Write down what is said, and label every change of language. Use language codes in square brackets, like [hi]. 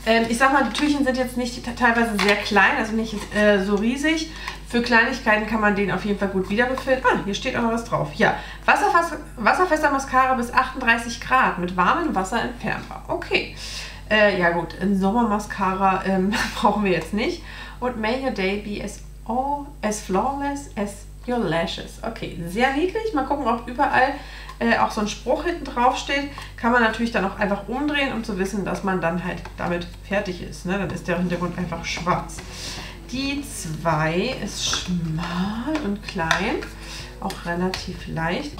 [de] Ich sag mal, die Türchen sind jetzt nicht teilweise sehr klein, also nicht so riesig. Für Kleinigkeiten kann man den auf jeden Fall gut wieder befüllen. Ah, hier steht auch noch was drauf. Ja, wasserfester Mascara bis 38 Grad mit warmem Wasser entfernbar. Okay. Ja gut, ein Sommermascara brauchen wir jetzt nicht. Und [en] may your day be as flawless as your lashes. [de] Okay, sehr niedlich. Mal gucken, ob überall auch so ein Spruch hinten drauf steht, kann man natürlich dann auch einfach umdrehen, um zu wissen, dass man dann halt damit fertig ist. Ne? Dann ist der Hintergrund einfach schwarz. Die 2 ist schmal und klein, auch relativ leicht.